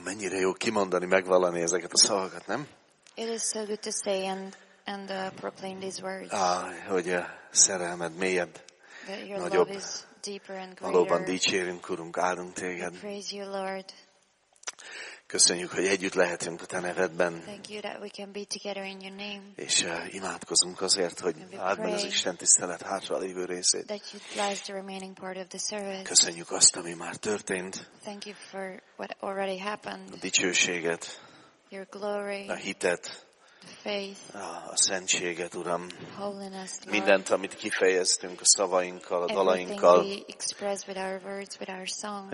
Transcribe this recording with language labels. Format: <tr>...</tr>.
<hu>Mennyire jó kimondani, megvallani ezeket a szavakat, nem?</hu> <en>It is so good to say and proclaim these words.</en> <hu>Hogy a szerelmed mélyebb, nagyobb.</hu> <en>Love is deeper and greater.</en> <hu>Valóban dicsérünk, Urunk, áldunk téged.</hu> <en>We praise you, Lord.</en> <hu>Köszönjük, hogy együtt lehetünk a te nevedben.</hu> <en>Thank you that we can be together in your name.</en> <hu>És imádkozunk azért, hogy áld meg az Isten tisztelet hátra lévő részét.</hu> <en>That you bless the remaining part of the service.</en> <hu>Köszönjük azt, ami már történt.</hu> <en>Thank you for what already happened.</en> <hu>A dicsőséget.</hu> <en>Your glory.</en> <hu>A hitet.</hu> <en>Faith.</en> <hu>A szentséget, Uram.</hu> <en>Holiness, Lord.</en> <hu>Mindent, amit kifejeztünk a szavainkkal, a dalainkkal.</hu> <en>Everything we express with our words, with our songs.</en>